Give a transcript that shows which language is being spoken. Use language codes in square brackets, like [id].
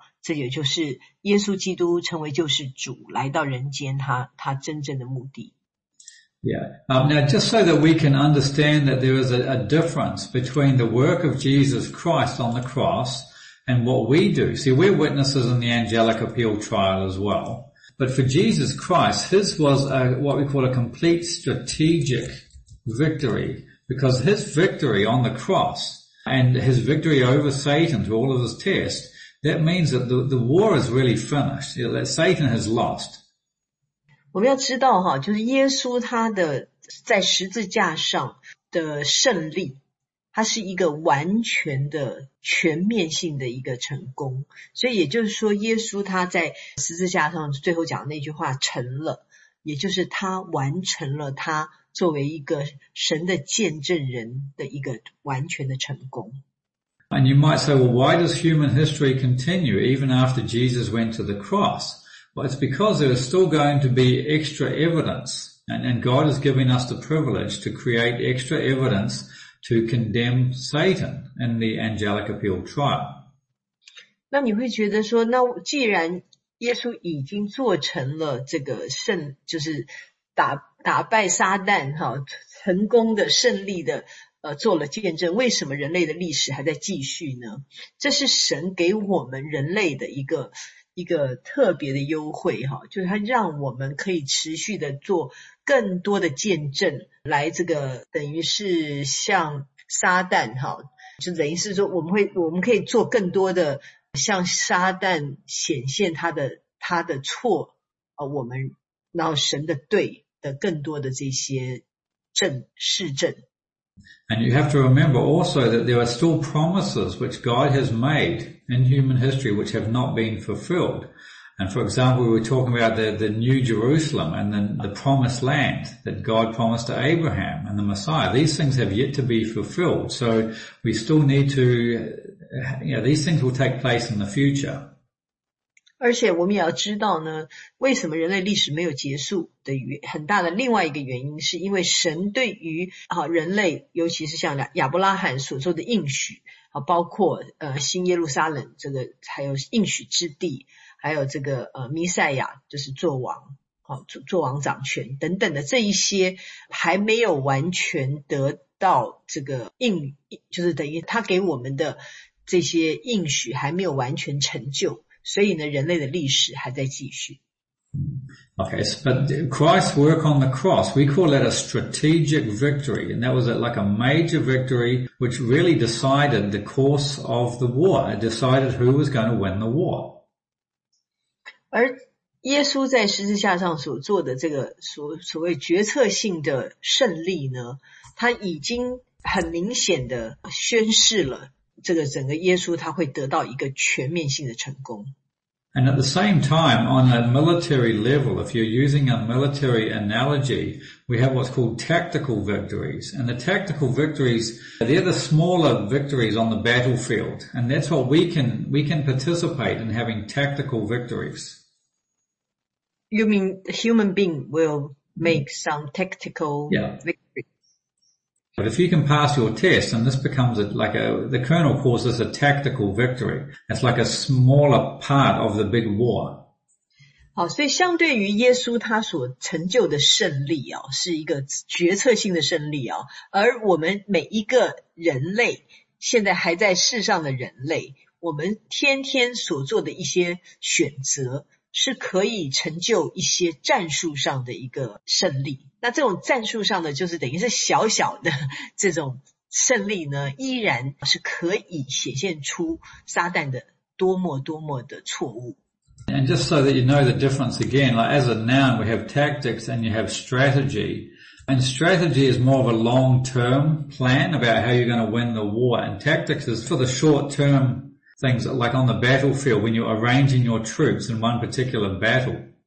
[zh] 这也就是耶稣基督成为救世主来到人间他真正的目的。 [en] Yeah. Now just so that we can understand that there is a difference between the work of Jesus Christ on the cross and what we do. See, we're witnesses in the angelic appeal trial as well. But for Jesus Christ, his was a, what we call a complete strategic victory, because his victory on the cross and his victory over Satan through all of his tests, that means that the war is really finished, you know, that Satan has lost. [zh] 我们要知道哈，就是耶稣他的在十字架上的胜利，他是一个完全的全面性的一个成功，所以也就是说耶稣他在十字架上最后讲的那句话成了，也就是他完成了他作为一个神的见证人的一个完全的成功。 [en] And you might say, well, why does human history continue even after Jesus went to the cross? Well, it's because there is still going to be extra evidence, and God is giving us the privilege to create extra evidenceto condemn Satan in the angelic appeal trial. [zh] 那你会觉得说，那既然耶稣已经做成了这个胜，就是打败撒旦，成功的胜利的做了见证，为什么人类的历史还在继续呢？这是神给我们人类的一个特别的优惠，就是他让我们可以持续的做更多的见证，来这个等于是像撒旦，就等于是说我们可以做更多的向撒旦显现他的错，我们然后神的对的更多的这些证事证。 [en] And you have to remember also that there are still promises which God has made in human history which have not been fulfilled. And for example, we were talking about the New Jerusalem and then the promised land that God promised to Abraham and the Messiah. These things have yet to be fulfilled. So we still need to, these things will take place in the future. [zh] 而且我们也要知道呢，为什么人类历史没有结束的很大的另外一个原因，是因为神对于人类，尤其是像亚伯拉罕所做的应许，包括新耶路撒冷这个，还有应许之地，还有这个弥赛亚，就是作王，作王掌权等等的这一些，还没有完全得到这个应，就是等于他给我们的这些应许还没有完全成就。所以呢，人类的历史还在继续。 [en] Okay, but Christ's work on the cross, we call that a strategic victory, and that was like a major victory which really decided the course of the war, decided who was going to win the war. [zh] 而耶稣在十字架上所做的这个所谓决策性的胜利呢，他已经很明显的宣示了这个整个耶稣他会得到一个全面性的成功。 [en] And at the same time, on a military level, if you're using a military analogy, we have what's called tactical victories. And the tactical victories, they're the smaller victories on the battlefield. And that's what we can participate in having tactical victories. You mean human being will make some tactical victories? But if you can pass your test, and this becomes the kernel calls this a tactical victory. It's like a smaller part of the big war. [zh] 好，所以相对于耶稣他所成就的胜利啊，是一个决策性的胜利啊。而我们每一个人类，现在还在世上的人类，我们天天所做的一些选择，是可以成就一些战术上的一个胜利。那这种战术上的就是等于是小小的这种胜利呢，依然是可以显现出撒旦的多么多么的错误。 [en] And just so that you know the difference again, like as a noun, we have tactics and you have strategy. And strategy is more of a long-term plan about how you're going to win the war. And tactics is for the short-term things, like on the battlefield when you're arranging your troops in one particular battle.